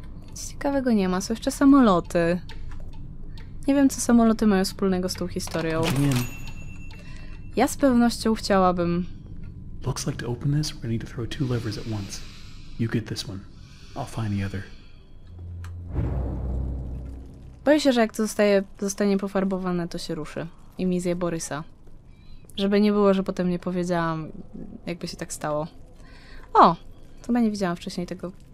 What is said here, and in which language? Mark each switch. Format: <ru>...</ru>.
<pl>Nic ciekawego nie ma, są jeszcze samoloty. Nie wiem, co samoloty mają wspólnego z tą historią. Ja z pewnością chciałabym...</pl> <en>Looks like to open this, we need to throw two levers at once. You get this one. I'll find the other.</en> <pl>Boję się, że jak to zostanie pofarbowane, to się ruszy. I mi zje Borysa. Żeby nie było, że potem nie powiedziałam, jakby się tak stało. O! Chyba nie widziałam wcześniej tego...</pl>